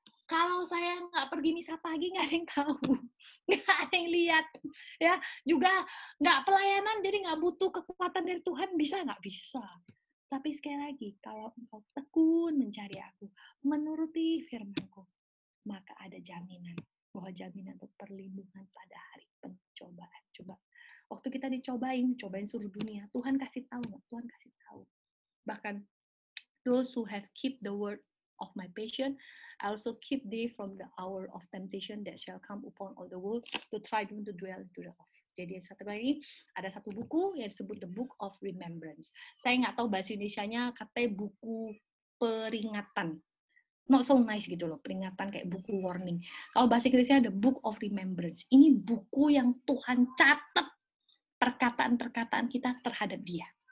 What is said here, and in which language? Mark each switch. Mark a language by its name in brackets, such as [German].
[Indonesian] Kalau saya nggak pergi misa pagi, nggak ada yang tahu, nggak ada yang lihat, ya juga nggak pelayanan, jadi nggak butuh kekuatan dari Tuhan, bisa nggak bisa. Tapi sekali lagi, kalau engkau tekun mencari aku, menuruti firman-Ku, maka ada jaminan bahwa jaminan untuk perlindungan pada hari pencobaan. Coba waktu kita dicobain seluruh dunia, Tuhan kasih tahu nggak? Tuhan kasih tahu, bahkan [English] those who has keep the word of my patience, I also keep thee from the hour of temptation that shall come upon all the world to try them to dwell to the off. [Indonesian] Jadi satu kali ada satu buku yang disebut [English] the book of remembrance. [Indonesian] Saya nggak tahu bahasa Indonesianya, katanya buku peringatan. [English] Not so nice [Indonesian] gitu loh, peringatan kayak buku warning. Kalau bahasa Inggrisnya [English] the book of remembrance. [Indonesian] Ini buku yang Tuhan catat perkataan-perkataan kita terhadap dia.